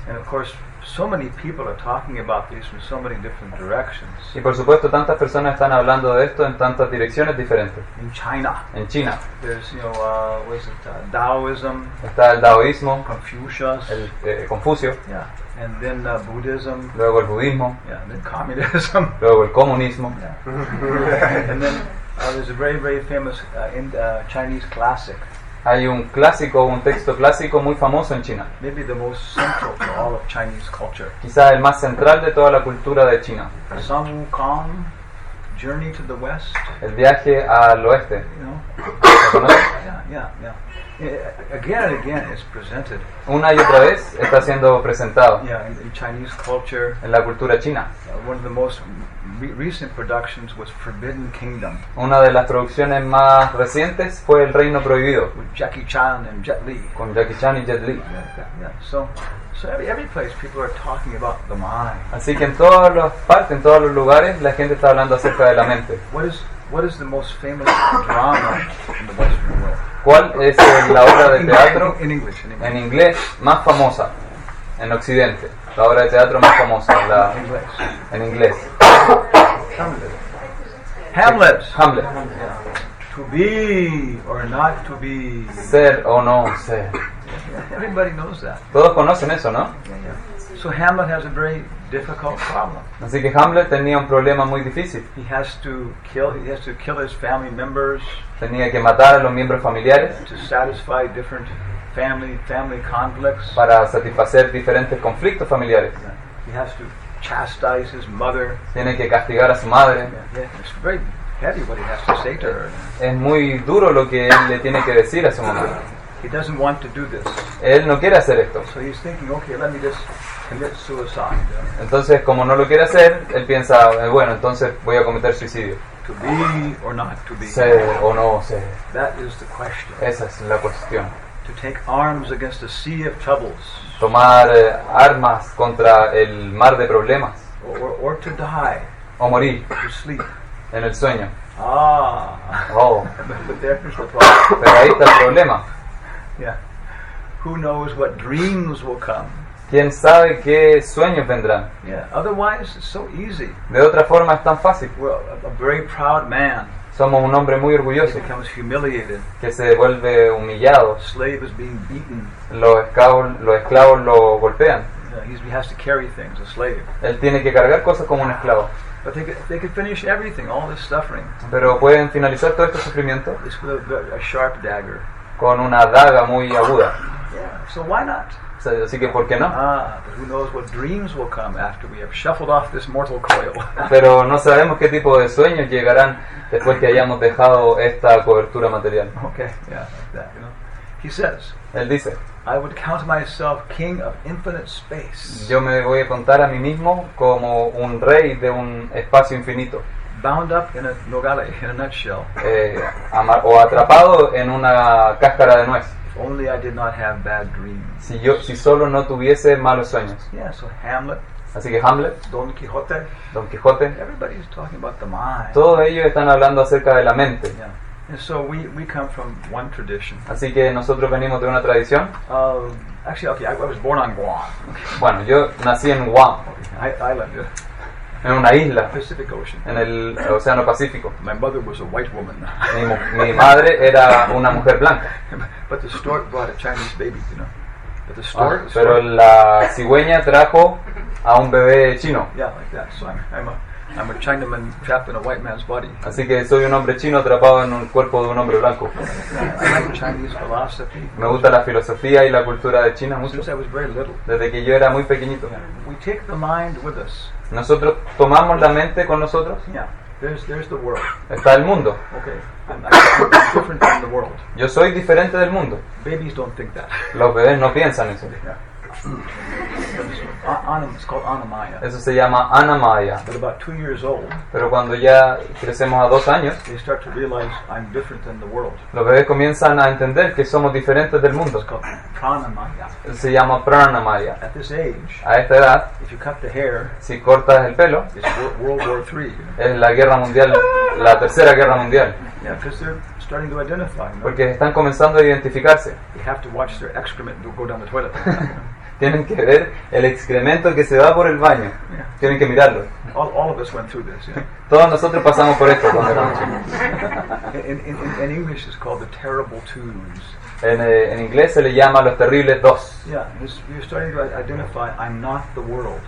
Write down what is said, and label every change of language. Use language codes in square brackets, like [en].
[en] And of course, so many people are talking about this from so many different directions. [es] Y por supuesto, tantas personas están hablando de esto en tantas direcciones diferentes. [en] In China. [es] En China. [en] There's, you know, what is it? Taoism. [es] Está el taoísmo. [en] Confucius. [es] El Confucio. [en] Yeah. And then Buddhism. [es] Luego el budismo. [en] Yeah. And then communism. [es] Luego el comunismo. [en] Yeah. And then there's a very, very famous Chinese classic. [es] Hay un clásico, un texto clásico muy famoso en China. [en] Maybe the most central to all of Chinese culture. [es] Quizá el más central de toda la cultura de China. [en] Sun Wukong, Journey to the West. [es] El viaje al oeste. [en] You know? Again, it's presented. [es] Una y otra vez está siendo presentado. [en] Yeah, in Chinese culture. [es] En la cultura china. [en] One of the most recent productions was Forbidden Kingdom. [es] Una de las producciones más recientes fue El Reino Prohibido. [en] With Jackie Chan and Jet Li. [es] Con Jackie Chan y Jet Li. [en] So every place people are talking about the mind. [es] Así que en todas las partes, en todos los lugares, la gente está hablando acerca de la mente. [en] What is the most famous drama in the Western world? [es] ¿Cuál es la obra de teatro en inglés más famosa en Occidente? La obra de teatro más famosa en inglés. [en] Hamlet. [es] Hamlet. [en] To be or not to be. [es] Ser o no ser. [en] Everybody knows that. [es] Todos conocen eso, ¿no? [en] So Hamlet has a very difficult problem. [es] Así que Hamlet tenía un problema muy difícil. [en] He has to kill his family members. [es] Tenía que matar a los miembros familiares. [en] To satisfy different family conflicts. [es] Para satisfacer diferentes conflictos familiares. [en] He has to chastise his mother. [es] Tiene que castigar a su madre. [en] It's very heavy what he has to say to her. [es] Es muy duro lo que él le tiene que decir a su mamá. [en] He doesn't want to do this. [es] Él no quiere hacer esto. [en] So he's thinking, okay, let me just commit suicide. [es] Entonces, como no lo quiere hacer, él piensa, bueno, entonces voy a cometer suicidio. [en] To be or not to be. [es] Ser o no ser. [en] That is the question. [es] Esa es la cuestión. [en] To take arms against a sea of troubles. [es] Tomar armas contra el mar de problemas. [en] Or to die. [es] O morir. [en] To sleep. [es] En el sueño. Ah. Oh. [en] But there's the problem. [es] Pero ahí está el problema. [en] Yeah. Who knows what dreams will come? [es] ¿Quién sabe qué sueños vendrán? [en] Yeah. Otherwise, it's so easy. [es] De otra forma, es tan fácil. [en] Well, a very proud man. [es] Somos un hombre muy orgulloso. [en] He becomes humiliated. [es] Que se vuelve humillado. [en] Slave is being beaten. [es] Los esclavos lo golpean. [en] Yeah, he has to carry things, a slave. [es] Él tiene que cargar cosas como un esclavo. [en] But they could finish everything, all this suffering. [es] Pero pueden finalizar todo este sufrimiento. [en] It's with a sharp dagger. [es] Con una daga muy aguda. [en] Yeah, so why not? [es] Así que, ¿por qué no? [en] But who knows what dreams will come after we have shuffled off this mortal coil. [es] Pero no sabemos qué tipo de sueños llegarán después que hayamos dejado esta cobertura material. [en] Okay, yeah, like that, you know. He says. [es] Él dice. [en] I would count myself king of infinite space. [es] Yo me voy a contar a mí mismo como un rey de un espacio infinito. [en] Bound up in a nogale, in a nutshell. [es] O atrapado en una cáscara de nuez. [en] If only I did not have bad dreams. [es] Si solo no tuviese malos sueños. [en] Yeah, so Hamlet. [es] Así que Hamlet. [en] Don Quijote. Everybody is talking about the mind. [es] Todos ellos están hablando acerca de la mente. [en] Yeah. And so we come from one tradition. [es] Así que nosotros venimos de una tradición. [en] Actually, okay, I was born on Guam. [es] Bueno, yo nací en Guam. [en] Okay. island. [es] En una isla. [en] Pacific Ocean. [es] En el Océano Pacífico. [en] My mother was a white woman. [es] Mi madre era una mujer blanca. [en] But the stork brought a Chinese baby, you know. But the stork. Ah, [es] pero la cigüeña trajo a un bebé chino. [en] Yeah, like that. So I'm a Chinaman trapped in a white man's body. [es] Así que soy un hombre chino atrapado en un cuerpo de un hombre blanco. [en] I like Chinese philosophy. [es] Me gusta la filosofía y la cultura de China mucho. [en] Since I was very little. [es] Desde que yo era muy pequeñito. [en] Yeah. We take the mind with us. [es] Nosotros tomamos la mente con nosotros. [en] Yeah. There's the world. [es] Está el mundo. [en] Okay. I'm different from the world. [es] Yo soy diferente del mundo. [en] Babies don't think that. [es] Los bebés no piensan eso. [en] Yeah. It's called Anamaya. [es] Eso se llama Anamaya. [en] But about 2 years old, [es] pero cuando ya crecemos a 2 años, [en] they start to realize I'm different than the world. [es] Los bebés comienzan a entender que somos diferentes del mundo. [en] It's called Pranamaya. [es] Eso se llama Pranamaya. [en] At this age, [es] a esta edad, [en] if you cut the hair, [es] si cortas el pelo, [en] it's World War III, you know? [es] Es la guerra mundial, la tercera guerra mundial. [en] Yeah, because they're starting to identify, you know? [es] Porque están comenzando a identificarse. [en] They have to watch their excrement go down the toilet. [es] Tienen que ver el excremento que se va por el baño. [en] Yeah. [es] Tienen que mirarlo. [en] All of us went through this, yeah. [es] Todos nosotros pasamos por esto cuando éramos chicos. [en] In English it's called the terrible twos. [es] En inglés se le llama los terribles dos. [en] Yeah, you're starting to identify, I'm not the world.